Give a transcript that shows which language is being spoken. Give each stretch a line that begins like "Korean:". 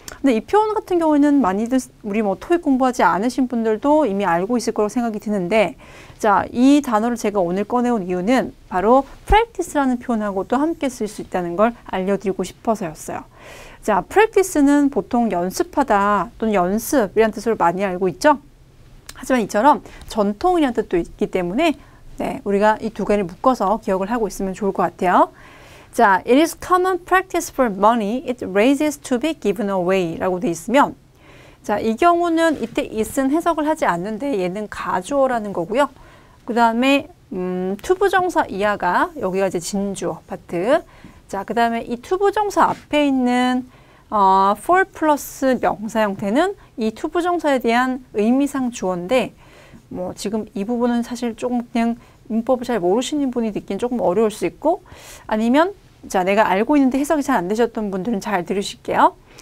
Korean: 근데 이 표현 같은 경우에는 많이들 우리 뭐 토익 공부하지 않으신 분들도 이미 알고 있을 거라고 생각이 드는데, 자, 이 단어를 제가 오늘 꺼내온 이유는 바로 practice라는 표현하고도 함께 쓸 수 있다는 걸 알려드리고 싶어서였어요. 자, practice는 보통 연습하다 또는 연습이라는 뜻으로 많이 알고 있죠. 하지만 이처럼 전통이라는 뜻도 있기 때문에 네, 우리가 이 두 개를 묶어서 기억을 하고 있으면 좋을 것 같아요.
English: 자, it is common practice for money. It raises to be given away
Korean: 라고 되어 있으면, 자, 이 경우는 이때 is는 해석을 하지 않는데 얘는 가주어라는 거고요. 그 다음에 to 부정사 이하가 여기가 이제 진주어 파트. 자, 그 다음에 이 to 부정사 앞에 있는 for 플러스 명사 형태는 이 to 부정사에 대한 의미상 주어인데, 뭐 지금 이 부분은 사실 조금 그냥 문법을 잘 모르시는 분이 듣기엔 조금 어려울 수 있고, 아니면 자, 내가 알고 있는데 해석이 잘 안 되셨던 분들은 잘 들으실게요.